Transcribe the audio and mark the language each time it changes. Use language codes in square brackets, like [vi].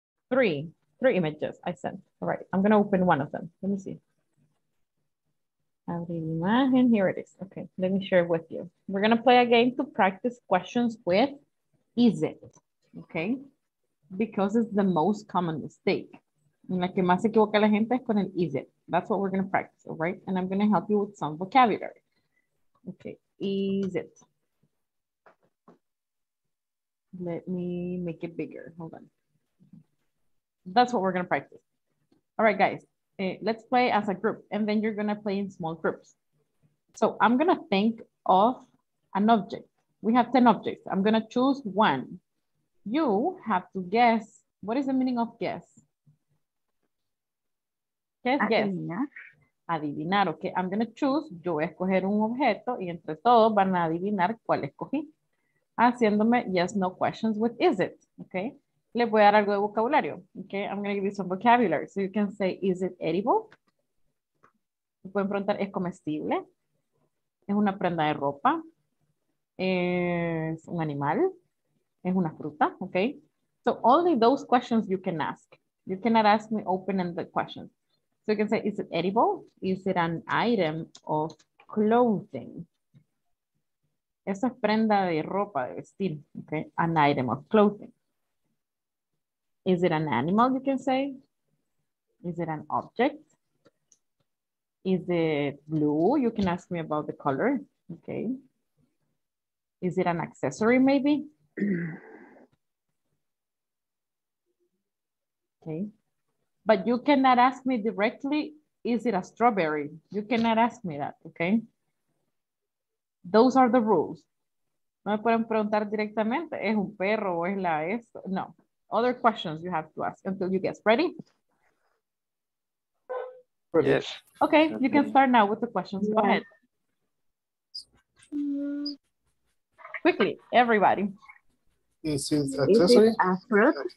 [en] Three images I sent. All right, I'm gonna open one of them, let me see. And here it is. Okay, let me share it with you. We're going to play a game to practice questions with is it, okay? Because it's the most common mistake. [es] La que más equivoca la gente es con el is it. [en] That's what we're going to practice, all right? And I'm going to help you with some vocabulary. Okay, is it. Let me make it bigger. Hold on. That's what we're going to practice. All right, guys. Let's play as a group, and then you're going to play in small groups. So I'm going to think of an object. We have 10 objects. I'm going to choose one. You have to guess. What is the meaning of guess? Guess. Adivinar. Okay, I'm going to choose. [es] Yo voy a escoger un objeto, y entre todos van a adivinar cuál escogí. Haciéndome yes, no questions with is it, okay? Le voy a dar algo de vocabulario. [en] Okay, I'm going to give you some vocabulary. So you can say, is it edible? Me pueden preguntar, ¿es comestible? [es] ¿Es una prenda de ropa? ¿Es un animal? ¿Es una fruta? Okay. [en] So only those questions you can ask. You cannot ask me open-ended questions. So you can say, is it edible? Is it an item of clothing? [es] Esa es prenda de ropa, de vestir. Okay, an item of clothing. [en] Is it an animal, you can say? Is it an object? Is it blue? You can ask me about the color, okay. Is it an accessory, maybe? Okay, But you cannot ask me directly, is it a strawberry? You cannot ask me that, okay? Those are the rules. [es] No me pueden preguntar directamente, es un perro o es la esto. No. [en] Other questions you have to ask until you guess. Ready? Yes. Okay, you can start now with the questions. Go ahead. Quickly, everybody. Is it accessory? Is it a fruit?